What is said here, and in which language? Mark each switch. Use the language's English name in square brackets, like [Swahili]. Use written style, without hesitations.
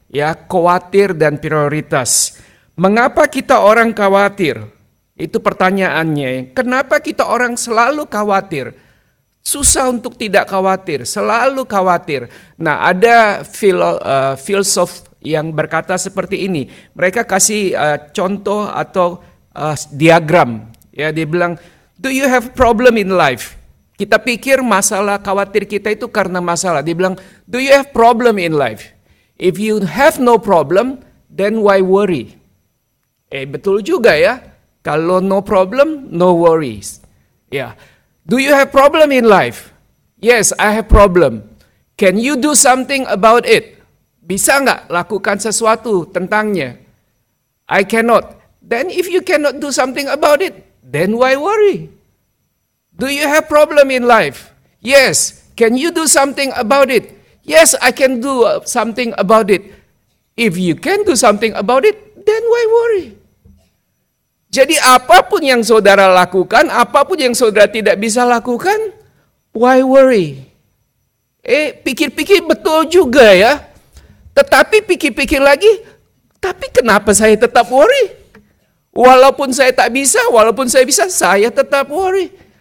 [Indonesian] Ya, khawatir dan prioritas. Mengapa kita orang khawatir? Itu pertanyaannya. Kenapa kita orang selalu khawatir? Susah untuk tidak khawatir, selalu khawatir. Nah, ada filsuf yang berkata seperti ini. Mereka kasih contoh atau diagram. Ya, dia bilang, [English] do you have problem in life? [Indonesian] Kita pikir masalah khawatir kita itu karena masalah. Dia bilang, [English] do you have problem in life? If you have no problem, then why worry? [Indonesian] Betul juga ya. Kalau [English] no problem, no worries. [Indonesian] Ya. [English] Do you have problem in life? Yes, I have problem. Can you do something about it? [Indonesian] Bisa enggak lakukan sesuatu tentangnya? [English] I cannot. Then if you cannot do something about it, then why worry? Do you have problem in life? Yes. Can you do something about it? Yes, I can do something about it. If you can do something about it, then why worry? [Indonesian] Jadi apapun yang saudara lakukan, apapun yang saudara tidak bisa lakukan, [English] why worry? [Indonesian] Pikir-pikir betul juga ya. Tetapi pikir-pikir lagi, tapi kenapa saya tetap worry? Walaupun saya tak bisa, walaupun saya bisa, saya tetap worry.